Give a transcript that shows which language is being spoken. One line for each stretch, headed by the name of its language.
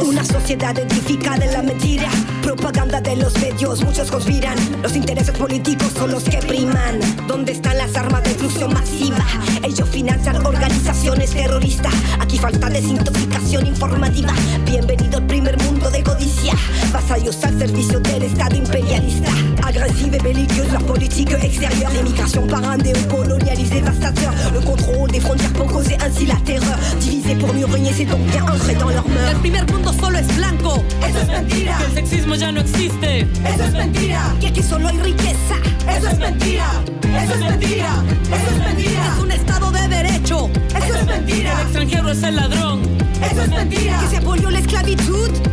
Spanish: Una sociedad edificada en la mentira, propaganda de los medios, muchos conspiran. Los intereses políticos son los que priman. ¿Dónde están las armas de destrucción masiva? Ellos financian organizaciones terroristas. Aquí falta desintoxicación informativa. Bienvenido al primer mundo de codicia. Vasallos al servicio del Estado imperialista.
French: Agresive et belliqueuse, la politique extérieure. L'immigration par un néocolonialisme dévastateur. Le contrôle des frontières pour causer ainsi la terreur. Divisé pour mieux régner, c'est donc bien entrer dans leur mœurs.
Spanish: El primer mundo solo es blanco. Eso es mentira. Que el sexismo ya no existe. Eso es mentira. Que aquí solo hay riqueza. Eso es mentira. Eso es mentira. Eso es mentira. Eso es mentira. Es un estado de derecho. Eso es mentira. El extranjero es el ladrón. Eso es mentira. Que se abolió la esclavitud.